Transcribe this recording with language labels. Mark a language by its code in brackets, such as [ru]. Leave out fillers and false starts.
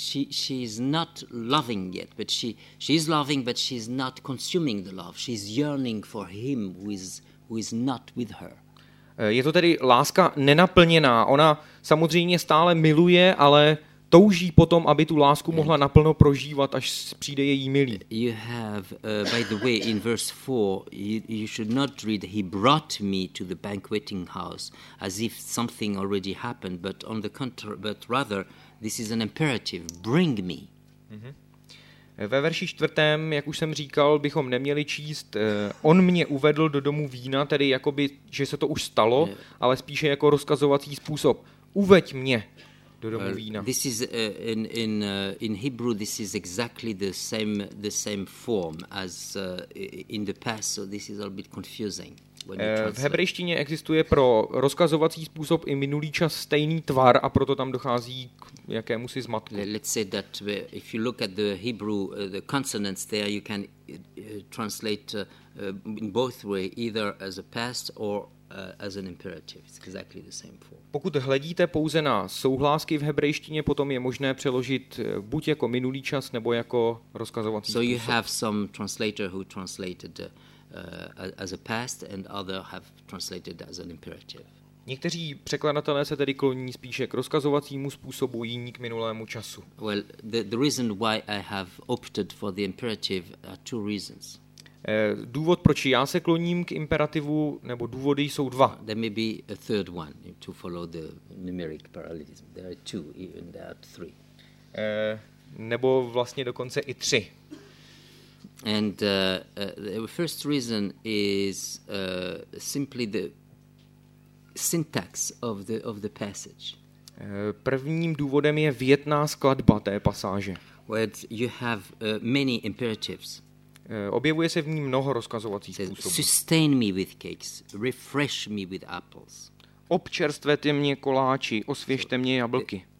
[en] She's not loving yet, but she's loving, but she's not consuming the love. She's yearning for him who is not with her. [cs] Je to tedy láska nenaplněná. Ona samozřejmě stále miluje, ale touží potom, aby tu lásku mohla naplno prožívat, až přijde její milý. [en] You have, by the way, in verse 4, you should not read, he brought me to the banqueting house, as if something already happened, but on the contrary, but rather, this is an imperative, bring me. [cs] Ve verši 4, jak už jsem říkal, bychom neměli číst, on mě uvedl do domu vína, tedy jakoby, že se to už stalo, ale spíše jako rozkazovací způsob, uveď mě. [en] This is in Hebrew. This is exactly the same form as in the past. So this is a bit confusing. [cs] V hebrejštině existuje pro rozkazovací způsob i minulý čas stejný tvar a proto tam dochází k jakémusi zmatku. [en] Let's say that if you look at the Hebrew the consonants there, you can translate in both way, either as a past or as an imperative. It's exactly the same form. [cs] Pokud hledíte pouze na souhlásky v hebrejštině, potom je možné přeložit buď jako minulý čas nebo jako rozkazovací způsob. [en] So you have some translator who translated as a past and other have translated as an imperative. [cs] Někteří překladatelé se tedy kloní spíše k rozkazovacímu způsobu, jiní k minulému času. [en] Well, the reason why I have opted for the imperative are two reasons. [cs] Důvod, proč já se kloním k imperativu, nebo důvody jsou dva. [en] There may be a third one to follow the numeric parallelism. There are two, even there are three. [cs] Nebo vlastně dokonce i tři. [en] And the first reason is simply the syntax of the passage. [cs] Prvním důvodem je větná skladba té pasáže. [en] Where you have many imperatives. [cs] Objevuje se v ní mnoho rozkazovacích způsobů. [en] Sustain me with cakes, refresh me with apples. [cs] Občerstvete mě koláči, osvěžte mě jablky.